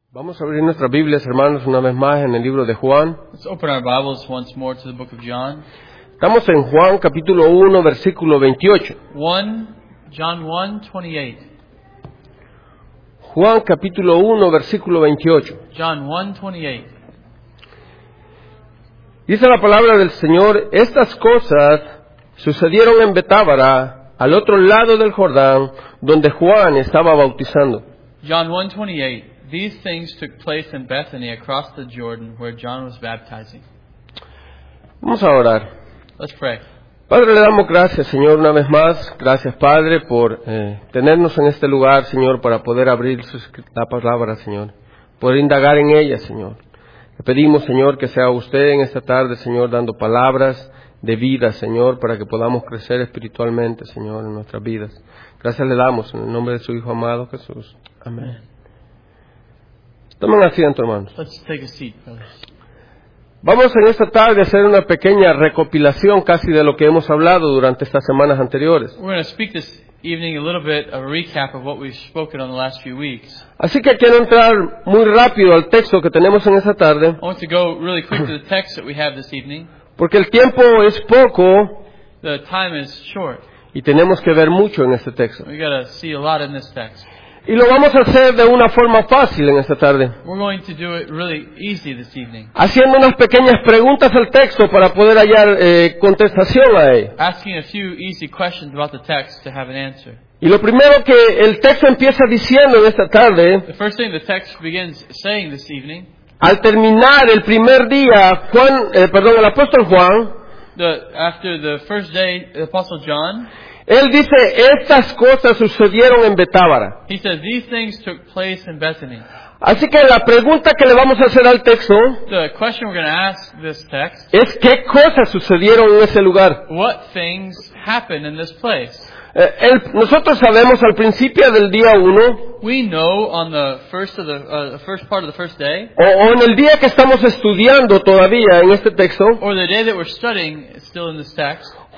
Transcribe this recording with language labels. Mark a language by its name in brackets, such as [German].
[Spanish] Vamos a abrir nuestras Biblias, hermanos, una vez más en el libro de Juan. [English] Let's open our Bibles once more to the book of John. [Spanish] Estamos en Juan capítulo 1, versículo 28. [English] John 1, 28. [Spanish] Juan capítulo 1, versículo 28. [English] John 1, 28. [Spanish] Dice la palabra del Señor: estas cosas sucedieron en Betábara, al otro lado del Jordán, donde Juan estaba bautizando. [English] John 1, 28. These things took place in Bethany across the Jordan where John was baptizing. [Spanish] Vamos a orar. [English] Let's pray. [Spanish] Padre, le damos gracias, Señor, una vez más. Gracias, Padre, por tenernos en este lugar, Señor, para poder abrir la palabra, Señor. Poder indagar en ella, Señor. Le pedimos, Señor, que sea usted en esta tarde, Señor, dando palabras de vida, Señor, para que podamos crecer espiritualmente, Señor, en nuestras vidas. Gracias le damos en el nombre de su Hijo amado, Jesús. Amén. Tomen asiento, hermanos. [English] Let's take a seat, brothers. [Spanish] Vamos en esta tarde a hacer una pequeña recopilación casi de lo que hemos hablado durante estas semanas anteriores. [English] We're going to speak this evening a little bit of a recap of what we've spoken on the last few weeks. [Spanish] Así que quiero entrar muy rápido al texto que tenemos en esta tarde. [English] I want to go really quick to the text that we have this evening. [Spanish] Porque el tiempo es poco. [English] The time is short. [Spanish] Y tenemos que ver mucho en este texto. [English] We've got to see a lot in this text. [Spanish] Y lo vamos a hacer de una forma fácil en esta tarde. [English] We're going to do it really easy this evening. [Spanish] Haciendo unas pequeñas preguntas al texto para poder hallar contestación a él. [English] Asking a few easy questions about the text to have an answer. [Spanish] Y lo primero que el texto empieza diciendo en esta tarde. [English] The first thing the text begins saying this evening. [Spanish] Al terminar el primer día, Juan, el apóstol Juan. [English] After the first day, the apostle John. [Spanish] Él dice, estas cosas sucedieron en Betábara. [English] He says, these things took place in Bethany. [Spanish] Así que la pregunta que le vamos a hacer al texto, [English] the question we're going to ask this text, [Spanish] es qué cosas sucedieron en ese lugar. [English] What things happened in this place? [Spanish] Nosotros sabemos al principio del día uno, [English] we know on the first of the first part of the first day, [Spanish] o en el día que estamos estudiando todavía en este texto, [English] or the day that we're studying still in this text,